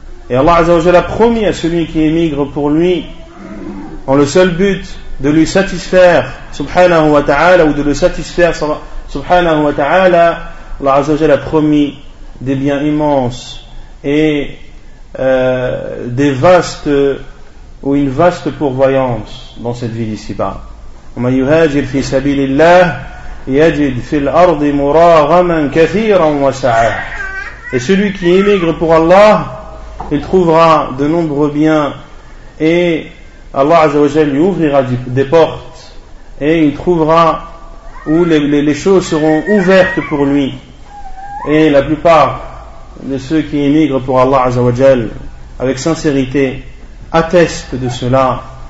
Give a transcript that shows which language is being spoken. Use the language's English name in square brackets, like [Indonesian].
[French] Et Allah azza wa jalla a promis à celui qui émigre pour lui, en le seul but de lui satisfaire subhanahu wa ta'ala, ou de le satisfaire subhanahu wa ta'ala, Allah azza wa jalla a promis des biens immenses et des vastes, ou une vaste pourvoyance dans cette vie d'ici-bas. [Arabic] ومن يهاجر في سبيل الله يجد في الأرض مراغما كثيرا وسعة. [French] Et celui qui émigre pour Allah, il trouvera de nombreux biens, et Allah Azza wa Jal lui ouvrira des portes, et il trouvera où les choses seront ouvertes pour lui. Et la plupart de ceux qui émigrent pour Allah Azza wa Jal, avec sincérité, attestent de cela.